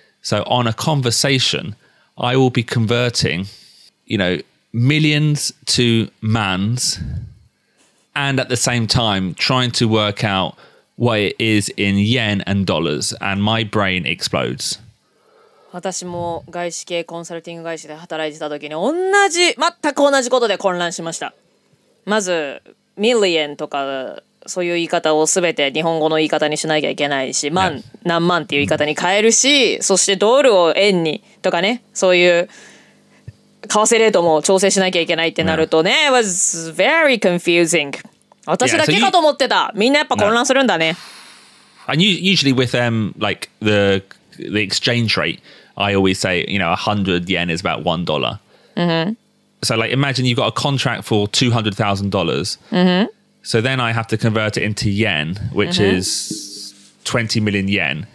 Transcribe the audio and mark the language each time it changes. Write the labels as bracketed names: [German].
[English] So on a conversation, I will be converting, you know, millions to mans, and at the same time trying to work out what it is in yen and dollars, and my brain explodes. [Japanese] 私も外資系コンサルティング会社で働いてた時に同じ全く同じことで混乱しました。まずミリエンとかそういう言い方を全て日本語の言い方にしなきゃいけないし、万、yes. 何万っていう言い方に変えるし、そしてドルを円にとかね、そういう為替レートも調整しなきゃいけないってなるとね、yeah. [English] It was very confusing. [Japanese] 私だけかと思ってた。みんなやっぱ混乱するんだね。 [English] And usually with them, like the exchange rate, I always say, you know, 100 yen is about $1. Mm-hmm. So like, imagine you've got a contract for $200,000. Mm-hmm. So then I have to convert it into yen, which mm-hmm. is 20 million yen.